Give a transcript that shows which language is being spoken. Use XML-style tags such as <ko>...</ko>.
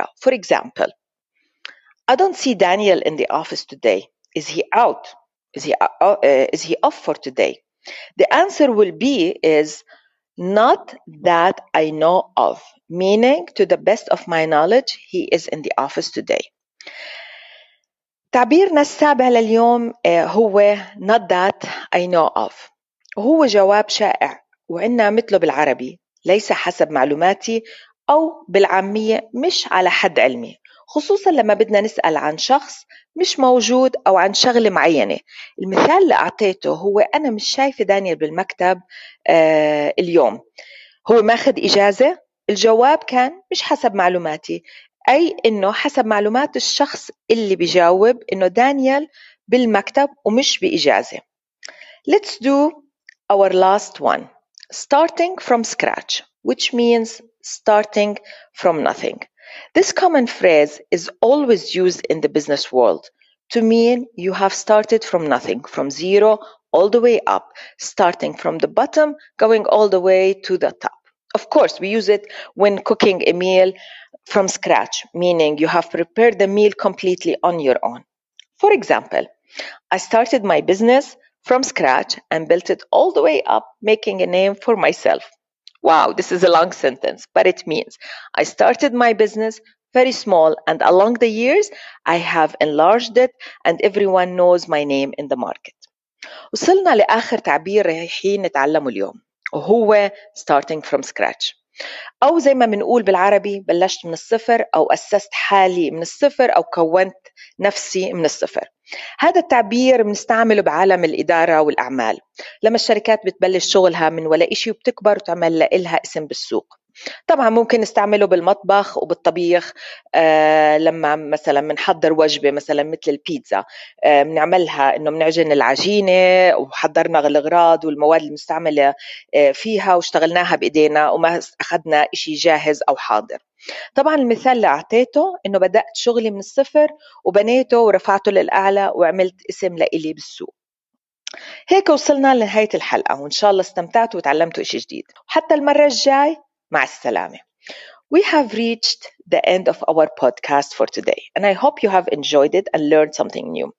<en>For example, I don't see Daniel in the office today. Is he out? Is he off for today? The answer will be is not that I know of, meaning to the best of my knowledge, he is in the office today.</en> <ar>تعبيرنا السابع لليوم هو</ar> <en>not that I know of،</en> <ar>وهو جواب شائع وعنا مثله بالعربي ليس حسب معلوماتي، أو بالعامية مش على حد علمي، خصوصا لما بدنا نسأل عن شخص مش موجود أو عن شغلة معينة. المثال اللي أعطيته هو أنا مش شايفة دانيال بالمكتب اليوم، هو ماخد إجازة؟ الجواب كان مش حسب معلوماتي، أي إنه حسب معلومات الشخص اللي بيجاوب إنه دانيال بالمكتب ومش بإجازة.</ar> <en>Let's do our last one. Starting from scratch, which means starting from nothing. This common phrase is always used in the business world to mean you have started from nothing, from zero all the way up, starting from the bottom, going all the way to the top. Of course, we use it when cooking a meal from scratch, meaning you have prepared the meal completely on your own. For example, I started my business from scratch and built it all the way up, making a name for myself. Wow, this is a long sentence, but it means I started my business very small, and along the years, I have enlarged it, and everyone knows my name in the market.</en> <ar>وصلنا لآخر تعبير رايحين نتعلمه اليوم، وهو</ar> <en>starting from scratch.</en> <ar>أو زي ما منقول بالعربي بلشت من الصفر، أو أسست حالي من الصفر، أو كونت نفسي من الصفر. هذا التعبير بنستعمله بعالم الإدارة والأعمال لما الشركات بتبلش شغلها من ولا إشي وبتكبر وتعمل لها اسم بالسوق. طبعا ممكن نستعمله بالمطبخ وبالطبيخ لما مثلا منحضر وجبة مثلا مثل البيتزا، منعملها انه منعجن العجينة وحضرنا الاغراض والمواد المستعملة فيها واشتغلناها بايدينا وما اخذنا اشي جاهز او حاضر. طبعا المثال اللي اعطيته انه بدأت شغلي من الصفر وبنيته ورفعته للأعلى وعملت اسم لإلي بالسوق. هيك وصلنا لنهاية الحلقة وان شاء الله استمتعت وتعلمت اشي جديد. حتى المرة الجاي، مع السلامة.</ar> <en>We have reached the end of our podcast for today, and I hope you have enjoyed it and learned something new.</en>